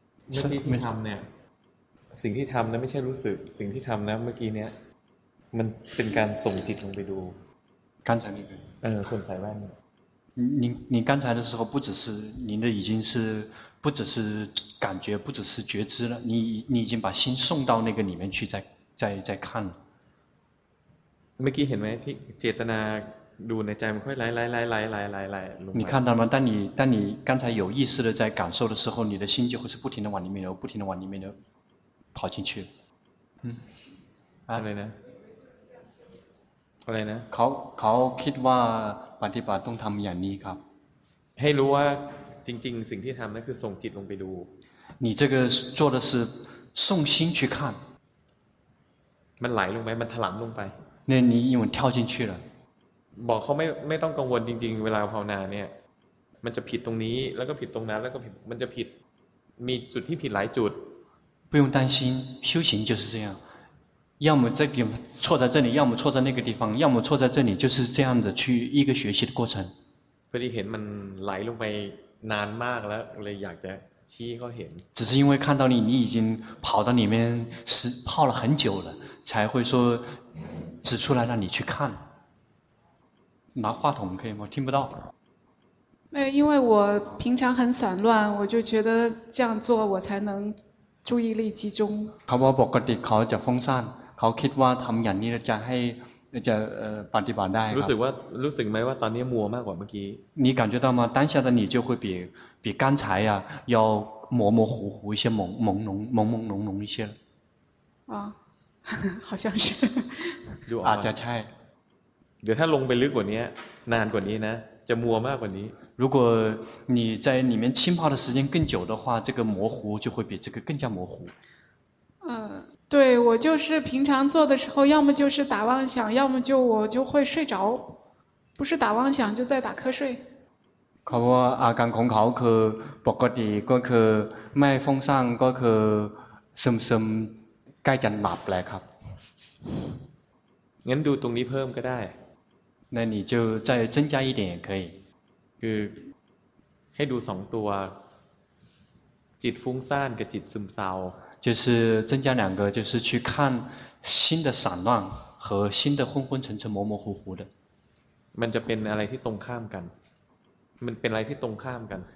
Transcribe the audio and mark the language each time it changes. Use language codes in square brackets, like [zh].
[th] เมื่อกี้ที่ทำเนี่ยสิ่งที่ทำนะไม่ใช่รู้สึกสิ่งที่ทำนะเมื่อกี้เนี่ยมันเป็นการส่งจิตลงไปดู การใช้นี่คือคนใส่แว่นเนี่ย [zh] 你刚才的时候不只是您的已经是不只是感觉不只是觉知了你已经把心送到那个里面去再看了 [th] เมื่อกี้เห็นไหมที่เจตนาดูในใจมันค่อยไล่ลง มา [zh] 你看到吗？当你刚才有意识的在感受的时候，你的心就会是不停的往里面流，不停的往里面流，跑进去。 [th] อะไรนะ？ เขาคิดว่าปฏิบัติต้องทำอย่างนี้ครับ。 ให้รู้ว่าจริงๆสิ่งที่ทำนั่นคือส่งจิตลงไปดู。 [zh] 你这个做的是送心去看。 [th] มันไหลลงไปมันถลำลงไป。 [zh] 那你因为跳进去了。 [th] บอกเขาไม่ต้องกังวลจริงๆเวลาภาวนาเนี่ยมันจะผิดตรงนี้แล้วก็ผิดตรงนั้นแล้วก็ผิดมันจะผิดมีจุดที่ผิดหลายจุด [zh] 不用担心修行就是这样要么这个错在这里要么错在那个地方要么错在这里就是这样的去一个学习的过程 [th] พอดีเห็นมันไหลลงไปนานมากแล้วเลยอยากจะชี้เขาเห็น [zh] 只是因为看到你已经跑到里面是泡了很久了才会说指出来让你去看拿话筒可以吗？听不到。没有，因为我平常很散乱，我就觉得这样做我才能注意力集中。 [th] เขาบอกปกติเขาจะฟุ้งซ่านเขาคิดว่าทำอย่างนี้จะให้จะปฏิบัติได้ รู้สึกว่ารู้สึกไหมว่าตอนนี้มัวมากกว่าเมื่อกี้ [zh] 你感觉到吗？当下的你就会比刚才呀、啊、要模模糊糊一些朦朦胧胧一些。啊，好像是。 [th] อ าจจะใช่ เดี๋ยวถ้าลงไปลึกกว่านี้นานกว่านี้นะจะมัวมากกว่านี้ [zh] 如果你在里面浸泡的时间更久的话这个模糊就会比这个更加模糊对我就是平常做的时候要么就是打妄想要么就我就会睡着不是打妄想就在打瞌睡 [th] เขาว่าอาการของเขาคือปกติก็คือไม่ฟุ้งซ่านก็คือซึมใกล้จะหลับแล้วครับ งั้นดูตรงนี้เพิ่มก็ได้ [zh] 那你就再增加一点也可以 [th] คือให้ดู2ตัวจิตฟุ้งซ่านกับจิตซึมเศร้า [zh] 就是增加两个就是去看心的散乱和心的昏昏沉沉模模糊糊的 [th] มันจะเป็นอะไรที่ตรงข้ามกันมันเป็นอะไรที่ตรงข้ามกัน